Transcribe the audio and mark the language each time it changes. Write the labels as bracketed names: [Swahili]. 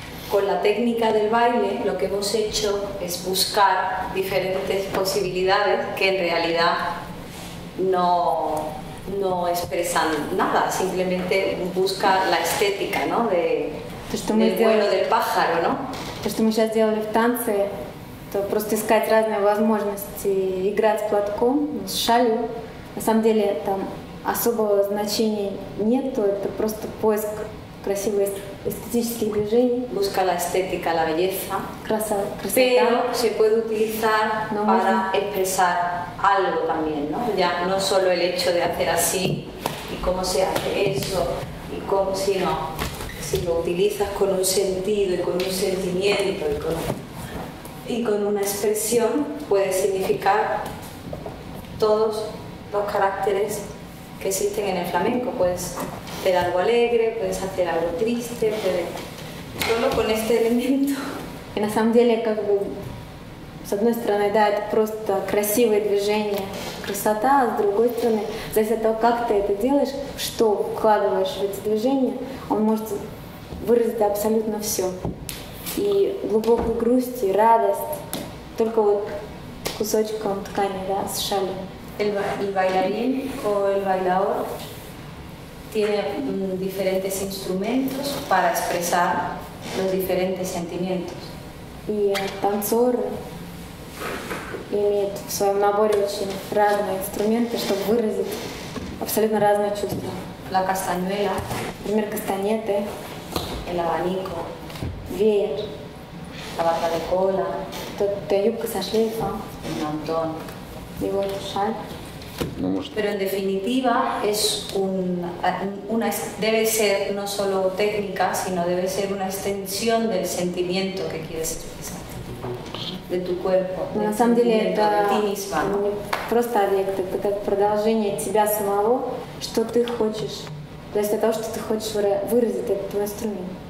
[Spanish] Con la técnica del baile, lo que hemos hecho es buscar diferentes posibilidades que en realidad no expresan nada, simplemente busca la estética, ¿no? [Russian] То, что мы сейчас делали в танце, то просто искать разные возможности, играть с платком, с шалью. На самом деле там особого значения нету, это просто поиск красивых эстетических движений. [Spanish] Busca la estética, la belleza. [Russian] Красота. [Spanish] Pero se puede utilizar para expresar algo también, ¿no? Ya no solo el hecho de hacer así y cómo se hace eso y cómo, sino si lo utilizas con un sentido y con un sentimiento y con una expresión, puede significar todos los caracteres que existen en el flamenco. Puedes hacer algo alegre, puedes hacer algo triste, puedes solo con este elemento. [Russian] Y на самом деле, как бы, с одной стороны, да, это просто красивое движение, красота, а с другой стороны, зависит от того, как ты это делаешь, что вкладываешь в эти движения, он может выразить абсолютно все. И глубокую грусть, и радость, только вот кусочком ткани, да, с шалью. [Spanish] El bailarín o el bailador tiene diferentes instrumentos para expresar los diferentes sentimientos. [Russian] И танцор имеет в своем наборе очень разные инструменты, чтобы выразить абсолютно разные чувства. [Spanish] La castañuela. [Russian] Например, кастанеты. [Spanish] El abanico, [Russian] веер, [Spanish] la bata de cola, [Russian] то юбка со шлейфом, [Spanish] el mantón, [Russian] и вот шаль. Ну, может. [Spanish] Pero en definitiva es una debe ser no solo técnica, sino debe ser una extensión del sentimiento que quieres expresar de tu cuerpo. [Russian] Но на самом деле это [Spanish] de ti misma, ¿no? [Russian] Не просто объект, это как продолжение тебя самого, что ты хочешь. То есть это то, что ты хочешь выразить этот твой инструмент.